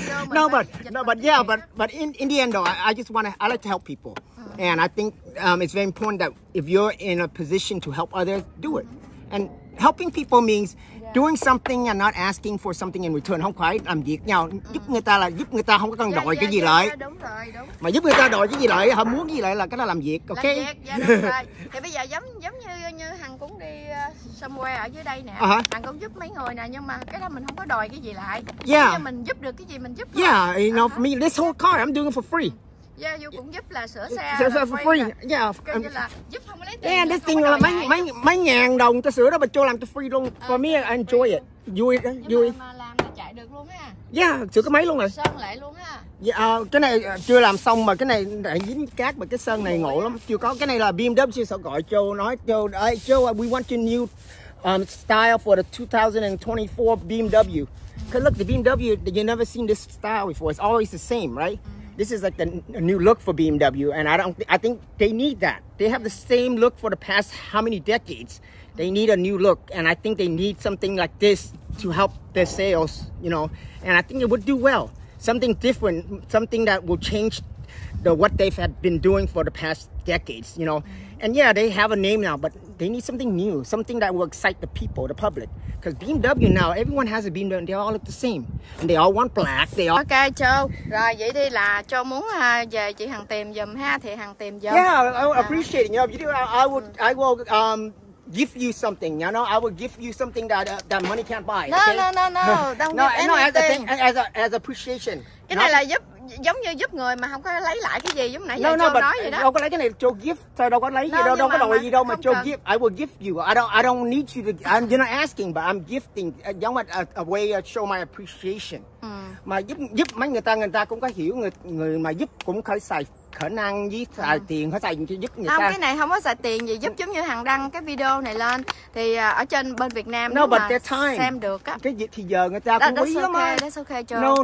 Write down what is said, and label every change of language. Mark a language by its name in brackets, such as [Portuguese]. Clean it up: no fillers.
[English] No, but yeah, but in the end, though, I just want to. I like to help people. And I think it's very important that if you're in a position to help others, do it. And helping people means doing something and not asking for something in return. [Vietnamese] Không phải làm việc nhau giúp người ta là giúp người ta, không có cần đòi cái gì lại. Đúng rồi. Mà giúp người ta đòi cái gì lại, họ muốn cái gì lại là cái đó làm việc. [English] Ok. [Vietnamese] Làm việc. Dạ, đúng rồi. Thì bây giờ giống như Hằng cũng đi [English] somewhere [Vietnamese] ở dưới đây nè. Hằng cũng giúp mấy người nè, nhưng mà cái đó mình không có đòi cái gì lại. [English] Yeah. [Vietnamese] Nếu mình giúp được cái gì mình giúp. Yeah, lại. [English] You know, for me this whole car I'm doing it for free. [Vietnamese] Yeah, you cũng giúp là sửa xe. Sửa xe [English] for free. [Vietnamese] Là, yeah. Coi như là giúp không lấy tiền. Yeah, this thing là mấy ngàn đồng ta sửa đó, bật cho làm cho free luôn. [English] For me, I enjoy it. [Vietnamese] Vui, vui. Nhưng mà làm là chạy được luôn á. Yeah, sửa cái máy luôn rồi. Sơn lại luôn á. Yeah, cái này chưa làm xong mà cái này đã dính cát mà cái sơn này ngộ lắm. Chưa có, cái này là BMW sẽ gọi Châu, nói Châu, hey, Châu, [English] we want your new style for the 2024 BMW. Because look, the BMW, you never seen this style before. It's always the same, right? This is like a new look for BMW, and I think they need that. They have the same look for the past how many decades. They need a new look, and I think they need something like this to help their sales, you know. And I think it would do well. Something different, something that will change the what they've had been doing for the past decades, you know. And yeah, they have a name now, but they need something new, something that will excite the people, the public. Because BMW now, everyone has a BMW, and they all look the same. And they all want black, they all... Ok, Châu. [Vietnamese] Rồi, vậy thì là Châu muốn về chị Hằng tìm giùm ha, thì Hằng tìm giùm. [English] Yeah, I appreciate it. You know, I will give you something, you know? I will give you something that that money can't buy, no, okay? No, don't no, give anything. No, as appreciation. [Vietnamese] Cái này là giúp... giống như giúp người mà không có lấy lại cái gì, giống nãy giờ Châu nói vậy đó. Đâu có lấy cái này, Châu [English] give, [Vietnamese] sao đâu có lấy gì, đâu có đòi gì đâu mà Châu give. [English] I will give you, I don't need you to, I'm you're not asking, but I'm gifting, [Vietnamese] giống như [English] a way to show my appreciation. [Vietnamese] Mà giúp mấy người ta cũng có hiểu, người mà giúp cũng khởi xài khả năng với xài tiền, khởi xài cho giúp người không, ta. Không, cái này không có xài tiền gì, giúp giống như Hằng đăng cái video này lên, thì ở trên bên Việt Nam [English] no, but their time. [Vietnamese] Xem được á. Cái gì thì giờ người ta cũng quý lắm á. [English] That's okay, Joe.